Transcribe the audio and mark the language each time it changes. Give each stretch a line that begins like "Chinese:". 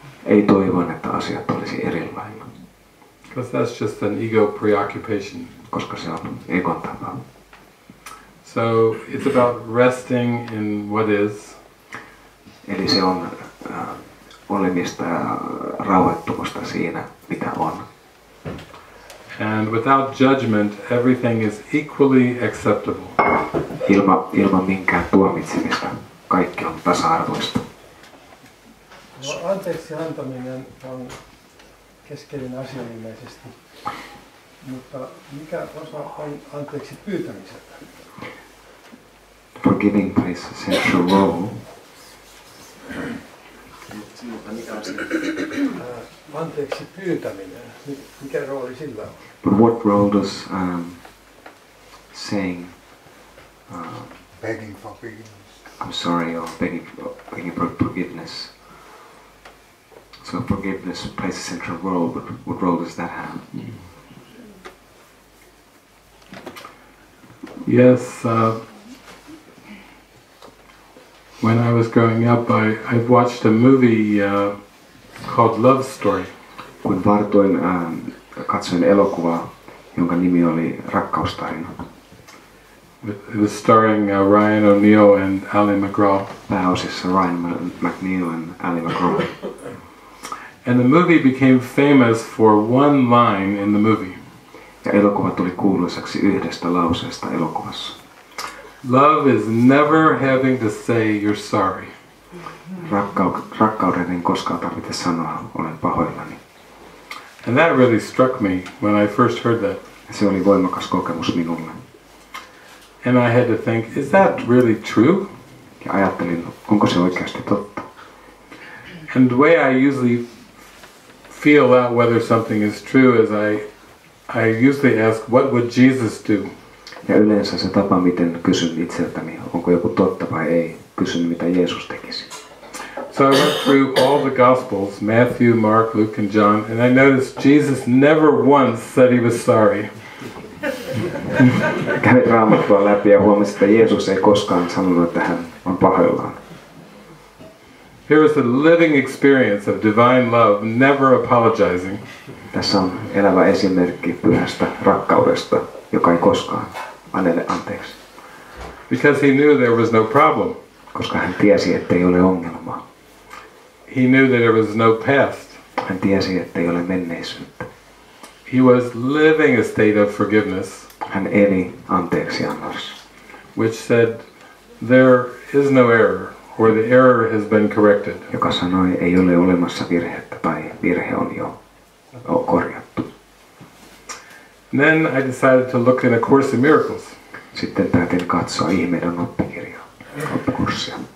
Finnish: Ei toivon, että asiat olisi erilainen.
English: Because that's just an ego preoccupation.
Finnish: Koska se on egon tapa.
English: So it's about resting in what is.
Finnish: Eli se on olemista ja rauhoittumusta siinä, mitä on.
English: And without judgment, everything is equally acceptable.
Finnish: Ilman minkään tuomitsemista, kaikki on tasa-arvoista. Anteeksi antaminen on keskeinen asia ilmeisesti, mutta mikä osa on anteeksi pyytämiseltä?
English: Forgiving plays a central role.
Finnish: Anteeksi pyytäminen, mikä rooli sillä on?
English: But what role does saying begging for forgiveness? I'm sorry, or begging for forgiveness. So forgiveness plays a central role, but what role does that have? Yes, when I was growing up, I watched a movie called Love Story.
Finnish: Kun vartoin katsoin elokuva, jonka nimi oli Rakkaustarina.
English: It was starring Ryan O'Neill and Ally McGraw.
Finnish: Pääosissa Ryan McNeil and Ally McGraw.
English: And the movie became famous for one line in the movie.
Finnish: Ja elokuva tuli kuuluisaksi yhdestä lauseesta elokuvassa.
English: Love is never having to say you're sorry.
Finnish: Rakkauden ei koskaan tarvitse sanoa olen pahoillani.
English: And that really struck me when I first heard that.
Finnish: Se oli voimakas kokemus minulle.
English: And I had to think, is that really true?
Finnish: Ja ajattelin, onko se oikeasti totta?
English: And the way I usually feel out whether something is true is I usually ask, what would Jesus do?
Finnish: Ja yleensä se tapa, miten kysyn itseltäni, onko joku totta vai ei, kysyn, mitä Jeesus tekisi.
English: So I went through all the Gospels, Matthew, Mark, Luke and John, and I noticed Jesus never once said he was sorry.
Finnish: Kävin Raamattua läpi ja huomasin, että Jeesus ei koskaan sanonut, että hän on pahoillaan.
English: Here is the living experience of divine love, never apologizing.
Finnish: Tässä on elävä esimerkki pyhästä rakkaudesta, joka ei koskaan anele anteeksi.
English: Because he knew there was no problem.
Finnish: Koska hän tiesi, ettei ole ongelmaa.
English: He knew that there was no past.
Finnish: Hän tiesi, ettei ole menneisyyttä.
English: He was living a state of forgiveness.
Finnish: Hän eli anteeksiannossa.
English: Which said, there is no error, or the error has been corrected.
Finnish: Joka sanoi, ei ole olemassa virhettä, tai virhe on jo korjattu.
English: Then I decided to look in A Course in Miracles.
Finnish: Sitten päätin katsoa ihmeiden oppikurssia.